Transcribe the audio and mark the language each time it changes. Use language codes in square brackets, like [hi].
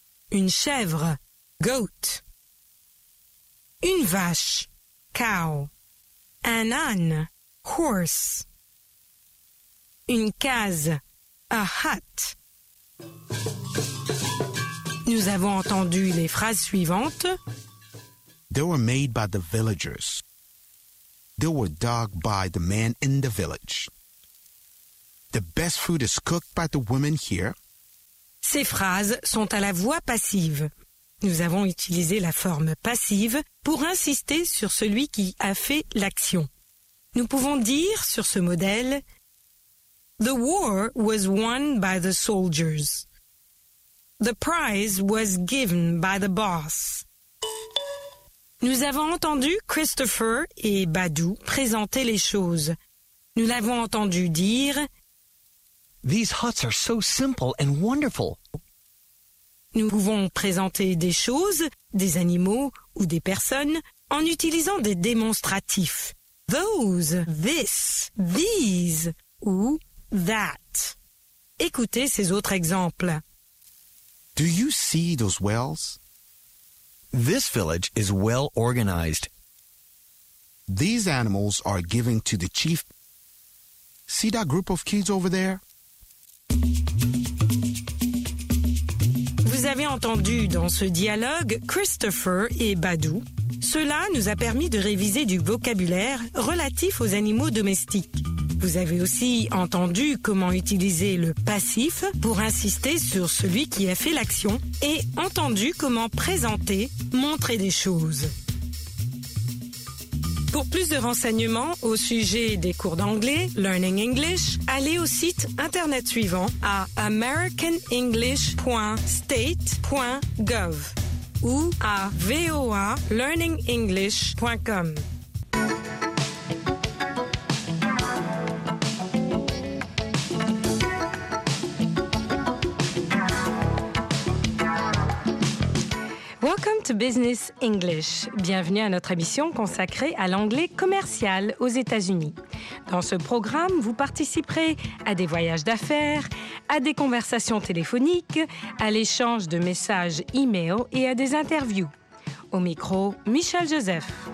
[fr] Une chèvre, goat. Une vache, cow. Un âne, horse. Une case, a hut. Nous avons entendu les phrases suivantes. [en] They were made by the villagers. They were dug by the men in the village. The best food is cooked by the women here. [fr] Ces phrases sont à la voix passive. Nous avons utilisé la forme passive pour insister sur celui qui a fait l'action. Nous pouvons dire sur ce modèle, [en] The war was won by the soldiers. The prize was given by the boss. [fr] Nous avons entendu Christopher et Badou présenter les choses. Nous l'avons entendu dire. [en] These huts are so simple and wonderful. [fr] Nous pouvons présenter des choses, des animaux ou des personnes en utilisant des démonstratifs. [en] Those, this, these ou that. [fr] Écoutez ces autres exemples. [en] Do you see those wells? This village is well organized. These animals are given to the chief. See that group of kids over there? [fr] Vous avez entendu dans ce dialogue Christopher et Badou. Cela nous a permis de réviser du vocabulaire relatif aux animaux domestiques. Vous avez aussi entendu comment utiliser le passif pour insister sur celui qui a fait l'action et entendu comment présenter, montrer des choses. Pour plus de renseignements au sujet des cours d'anglais, Learning English, allez au site Internet suivant à americanenglish.state.gov ou à voalearningenglish.com. [en] Welcome to Business English. [fr] Bienvenue à notre émission consacrée à l'anglais commercial aux États-Unis. Dans ce programme, vous participerez à des voyages d'affaires, à des conversations téléphoniques, à l'échange de messages e-mail et à des interviews. Au micro, Michel Joseph.